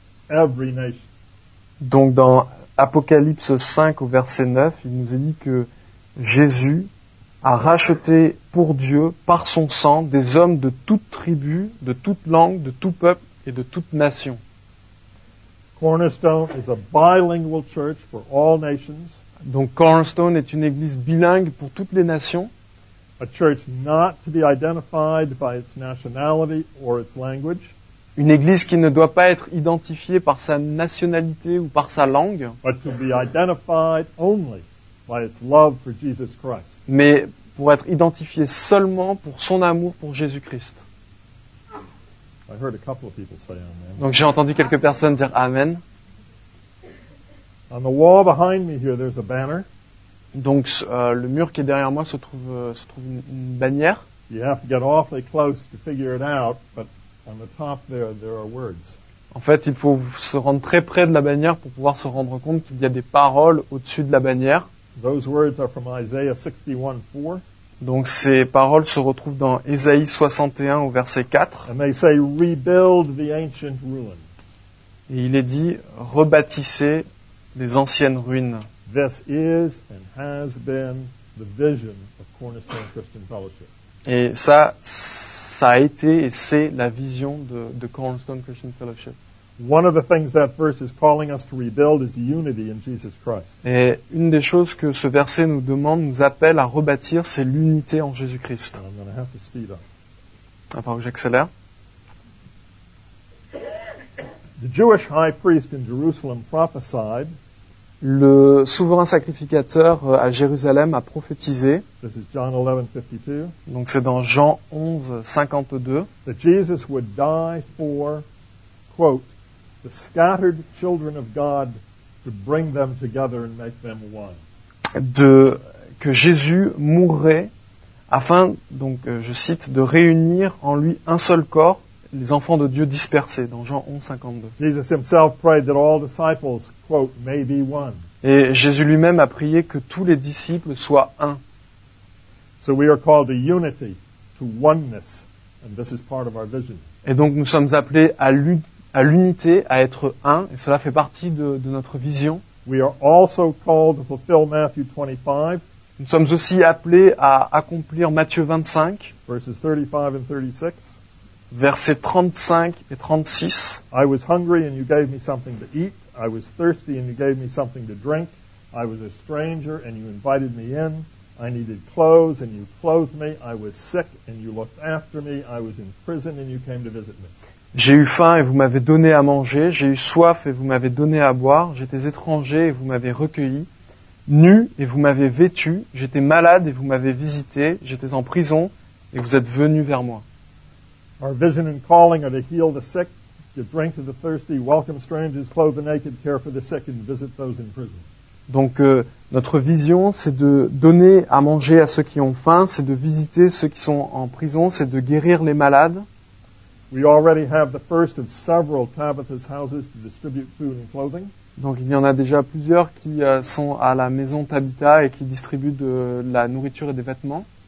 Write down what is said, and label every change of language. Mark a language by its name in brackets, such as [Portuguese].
[English] Every nation. [French] Donc dans Apocalypse 5 au verset 9, il nous est dit que Jésus a racheté pour Dieu, par son sang, des hommes de toute tribu, de toute langue, de tout peuple et de toute nation. [English] Cornerstone is a bilingual church for all nations. [French] Donc Cornerstone est une église bilingue pour toutes les nations. [English] A church not to be identified by its nationality or its language. [French] Une église qui ne doit pas être identifiée par sa nationalité ou par sa langue. [English] But to be identified only by its love for Jesus Christ. [French] Mais pour être identifiée seulement pour son amour pour Jésus-Christ. [English] I heard a couple of people say amen. [French] Donc j'ai entendu quelques personnes dire amen. [English] On the wall behind me here, there's a banner. [French] Donc le mur qui est derrière moi se trouve une bannière. [English] You have to get awfully close to figure it out, but on the top there are words. [French] En fait, il faut se rendre très près de la bannière pour pouvoir se rendre compte qu'il y a des paroles au-dessus de la bannière. [English] Those words are from Isaiah 61:4. [French] Donc ces paroles se retrouvent dans Ésaïe 61 au verset 4. [English] And they say, "Rebuild the ancient ruins." [French] Et il est dit, rebâtissez les anciennes ruines. [English] This is and has been the vision of Cornerstone Christian Fellowship. [French] Et ça, ça a été et c'est la vision de Cornerstone Christian Fellowship. [English] One of the things that verse is calling us to rebuild is unity in Jesus Christ. [French] Et une des choses que ce verset nous demande, nous appelle à rebâtir, c'est l'unité en Jésus Christ. [English] I'm going to have to speed up. [French] Enfin, j'accélère. [English] The Jewish high priest in Jerusalem prophesied. [French] Le souverain sacrificateur à Jérusalem a prophétisé. [English] This is John 11:52. [French] Donc c'est dans Jean 11:52. [English] That Jesus would die for, quote, the scattered children of God to bring them together and make them one. [French] Que Jésus mourrait afin, donc je cite, de réunir en lui un seul corps, les enfants de Dieu dispersés, dans Jean 11:52. [English] Jesus himself prayed that all disciples, quote, may be one. [French] Et Jésus lui-même a prié que tous les disciples soient un. [English] So we are called to unity, to oneness, and this is part of our vision. [French] Et donc nous sommes appelés à l'unité, à être un, et cela fait partie de notre vision. [English] We are also called to fulfill Matthew 25. [French] Nous sommes aussi appelés à accomplir Matthieu 25, [English] verses 35 and 36. [French] Versets 35 et 36. [English] I was hungry and you gave me something to eat. I was thirsty and you gave me something to drink. I was a stranger and you invited me in. I needed clothes and you clothed me. I was sick and you looked after me. I was in prison and you came to visit me. [French] J'ai eu faim et vous m'avez donné à manger. J'ai eu soif et vous m'avez donné à boire. J'étais étranger et vous m'avez recueilli. Nu et vous m'avez vêtu. J'étais malade et vous m'avez visité. J'étais en prison et vous êtes venu vers moi. [English] Our vision and calling are to heal the sick, give drink to the thirsty, welcome strangers, clothe the naked, care for the sick and visit those in prison. [French] Donc notre vision, c'est de donner à manger à ceux qui ont faim, c'est de visiter ceux qui sont en prison, c'est de guérir les malades. [English] We already have the first of several Tabitha's houses to distribute food and clothing. [French] Donc il y en a déjà plusieurs qui sont à la maison Tabitha et qui distribuent de la nourriture et des vêtements.